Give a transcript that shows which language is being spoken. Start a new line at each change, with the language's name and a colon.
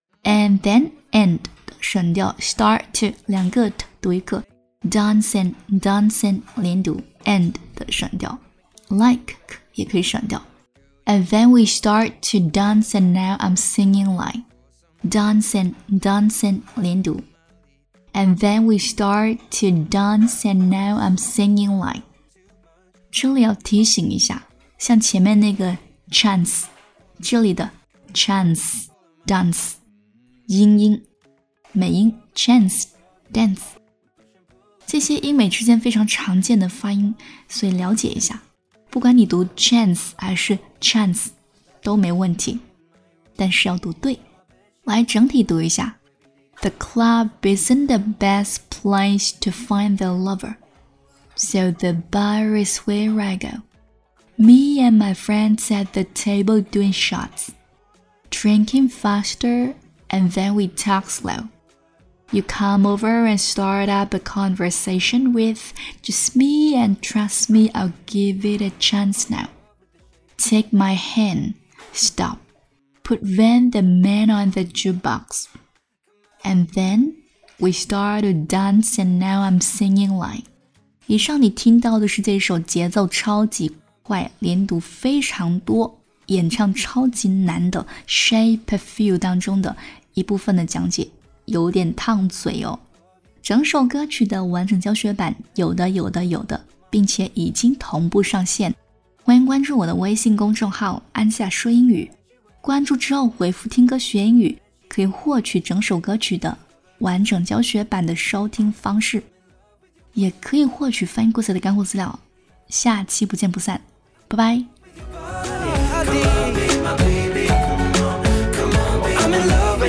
English: And then end,
Chinese: 省掉
English: start to,
Chinese: 两个
English: t,
Chinese: 读一个
English: dancing,
Chinese: 连读
English: end, 省掉 like,
Chinese: 也可以省掉
English: And then we start to dance and now I'm singing like. Dancing,
Chinese: 连读
English: And then we start to dance and now I'm singing like.
Chinese: 这里要提醒一下，像前面那个 chance， 这里的 chance dance 音美音 chance dance， 这些英美之间非常常见的发音，所以了解一下。不管你读 chance 还是 chance 都没问题，但是要读对。来整体读一下
English: ：The club isn't the best place to find the lover. So the bar is where I go. Me and my friends at the table doing shots. Drinking faster, and then we talk slow. You come over and start up a conversation with just me and trust me, I'll give it a chance now. Take my hand. Stop. Put then the man on the jukebox. And then we start to dance and now I'm singing like.
Chinese: 以上你听到的是这首节奏超级快连读非常多演唱超级难的 Shape of You 当中的一部分的讲解有点烫嘴哦整首歌曲的完整教学版有的并且已经同步上线欢迎关注我的微信公众号安夏说英语关注之后回复听歌学英语可以获取整首歌曲的完整教学版的收听方式也可以获取翻译故事的干货资料，下期不见不散，拜拜。